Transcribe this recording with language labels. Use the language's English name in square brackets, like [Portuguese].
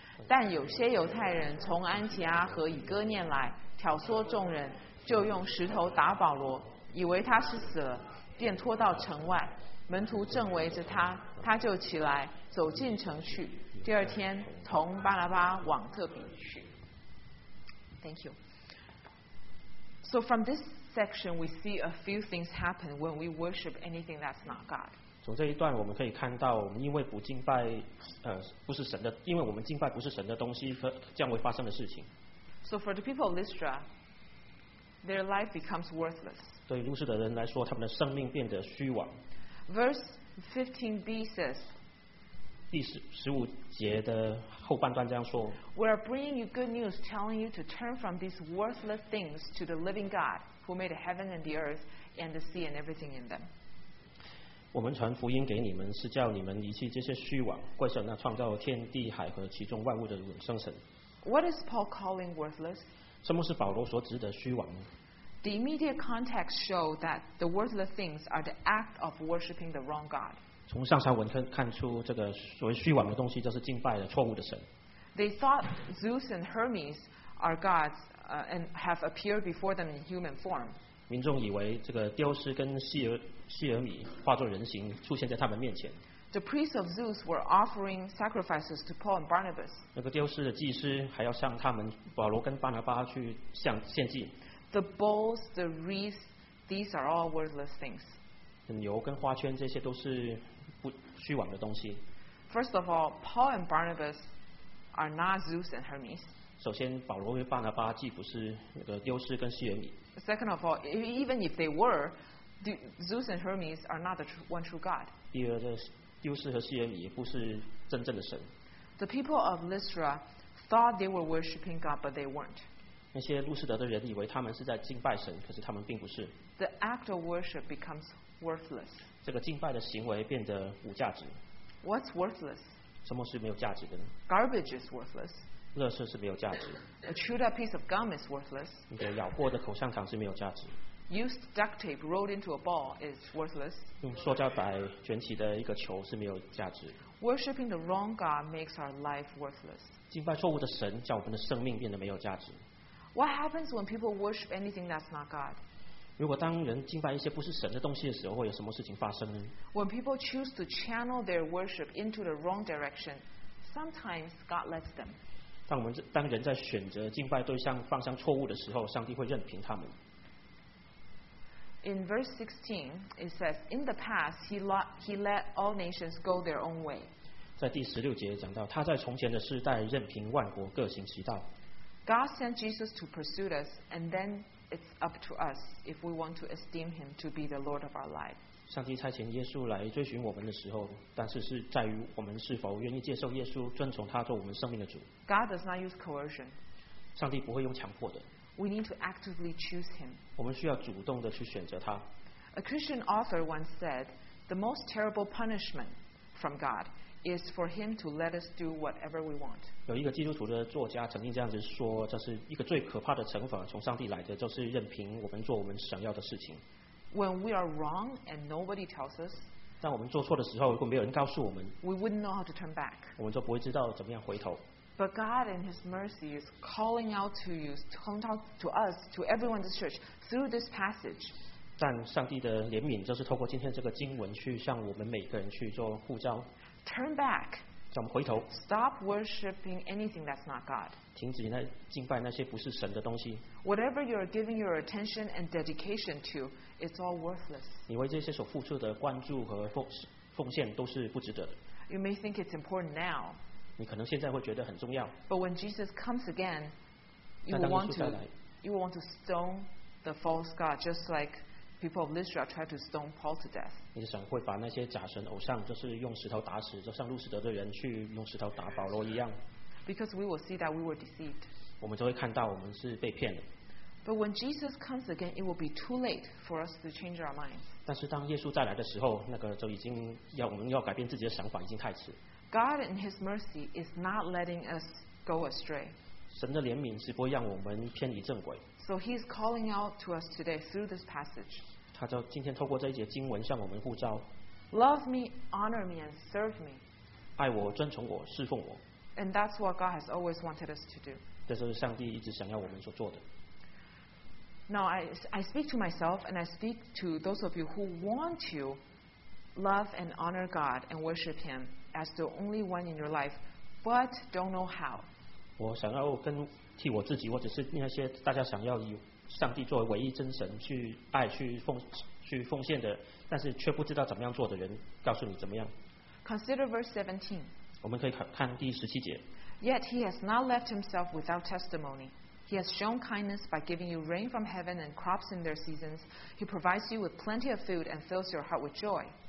[Chinese] 但有些犹太人从安提阿和以哥念来，挑唆众人，就用石头打保罗，以为他是死了，便拖到城外，门徒正围着他，他就起来走进城去。第二天从巴拿巴往特比去。 [English] Thank you. So from this section we see a few things happen when we worship anything that's not God. [Chinese] 从这一段我们可以看到，我们因为不敬拜不是神的，因为我们敬拜不是神的东西，这样会发生的事情。 [English] So for the people of Lystra, their life becomes worthless. [Chinese] 对路斯的人来说，他们的生命变得虚妄。 [English] Verse 15b says. [Chinese] 第十五节的后半段这样说。 [English] We are bringing you good news, telling you to turn from these worthless things to the living God, who made the heaven and the earth and the sea and everything in them. [Chinese] 我们传福音给你们，是叫你们离弃这些虚妄，归向那创造天地海和其中万物的永生神。 [English] What is Paul calling worthless? [Chinese] 什么是保罗所指的虚妄呢？ [English] The immediate context shows that the worthless things are the act of worshipping the wrong God. [Chinese] 从上下文看出，这个所谓虚妄的东西就是敬拜了错误的神。 [English] They thought Zeus and Hermes are gods, and have appeared before them in human form. [Chinese] 民众以为这个雕狮跟西尔米化作人形出现在他们面前。 [English] The priests of Zeus were offering sacrifices to Paul and Barnabas. [Chinese] 那个雕狮的祭司还要向他们保罗跟巴拿巴去向献祭。 [English] The bowls, the wreaths, these are all worthless things. [Chinese] 牛跟花圈这些都是虚妄的东西。 [English] First of all, Paul and Barnabas are not Zeus and Hermes. [Chinese] 首先，保罗跟巴拿巴既不是那个雕狮跟西尔米。 [English] Second of all, even if they were, Zeus and Hermes are not the one true God. [Chinese] 第二个是丢失和西尔米也不是真正的神。 [English] The people of Lystra thought they were worshiping God, but they weren't. [Chinese] 那些路斯德的人以为他们是在敬拜神，可是他们并不是。 [English] The act of worship becomes worthless. [Chinese] 这个敬拜的行为变得无价值。 [English] What's worthless? [Chinese] 什么是没有价值的呢？ [English] Garbage is worthless. [Chinese] 垃圾是没有价值。 [English] A chewed up piece of gum is worthless. [Chinese] 你的咬过的口香糖是没有价值。 [English] Used duct tape rolled into a ball is worthless. [Chinese] 用塑胶袋卷起的一个球是没有价值。 [English] Worshipping the wrong God makes our life worthless. [Chinese] 敬拜错误的神，叫我们的生命变得没有价值。 [English] What happens when people worship anything that's not God? [Chinese] 如果当人敬拜一些不是神的东西的时候，会有什么事情发生呢？ [English] When people choose to channel their worship into the wrong direction, sometimes God lets them. [Chinese] 当人在选择敬拜对象方向错误的时候，上帝会任凭他们。 [English] In verse 16, it says, "In the past, he let all nations go their own way." [Chinese] 在第十六节讲到，他在从前的世代任凭万国各行其道。 [English] God sent Jesus to pursue us, and then it's up to us if we want to esteem him to be the Lord of our life. [Chinese] 上帝差遣耶稣来追寻我们的时候，但是是在于我们是否愿意接受耶稣，遵从他做我们生命的主。 [English] God does not use coercion. [Chinese] 上帝不会用强迫的。 [English] We need to actively choose him. [Chinese] 我们需要主动的去选择他。 [English] A Christian author once said, "The most terrible punishment from God is for him to let us do whatever we want." [Chinese] 有一个基督徒的作家曾经这样子说，这是一个最可怕的惩罚从上帝来的，就是任凭我们做我们想要的事情。 [English] When we are wrong and nobody tells us, [Chinese] 当我们做错的时候，如果没有人告诉我们， [English] we wouldn't know how to turn back. [Chinese] 我们就不会知道怎么样回头。 [English] But God in his mercy is calling out to you, calling out to us, to everyone in this church, through this passage. [Chinese] 但上帝的怜悯就是透过今天这个经文去向我们每个人去做呼召。 [English] Turn back, [Chinese] 叫我们回头。 [English] Stop worshiping anything that's not God. [Chinese] 停止那敬拜那些不是神的东西。 [English] Whatever you're giving your attention and dedication to, it's all worthless. [Chinese] 你为这些所付出的关注和奉献都是不值得的。 [English] You may think it's important now. [Chinese] 你可能现在会觉得很重要。 [English] But when Jesus comes again, you will want to stone the false God, just like people of Lystra tried to stone Paul to death. [Chinese] 你的神会把那些假神偶像，就是用石头打死，就像路士德的人去用石头打保罗一样。 [English] Because we will see that we were deceived. [Chinese] 我们就会看到我们是被骗的。 [English] But when Jesus comes again, it will be too late for us to change our minds. [Chinese] 但是当耶稣再来的时候，那个就已经要我们要改变自己的想法，已经太迟。 [English] God in His mercy is not letting us go astray. [Chinese] 神的怜悯是不会让我们偏离正轨。 [English] So He's calling out to us today through this passage. [Chinese] 他就今天透过这一节经文向我们呼召。 [English] Love me, honor me, and serve me. [Chinese] 爱我，尊崇我，侍奉我。 [English] And that's what God has always wanted us to do. [Chinese] 这就是上帝一直想要我们所做的。 [English] Now I speak to myself and I speak to those of you who want to love and honor God and worship Him as the only one in your life, but don't know how. [Chinese] 我想要跟替我自己，或者是那些大家想要以上帝作为唯一真神去爱、去奉献的，但是却不知道怎么样做的人，告诉你怎么样。 [English] Consider verse 17. [Chinese] 我们可以看第十七节。 [English] Yet he has not left himself without testimony. He has shown kindness by giving you rain from heaven and crops in their seasons. He provides you with plenty of food and fills your heart with joy.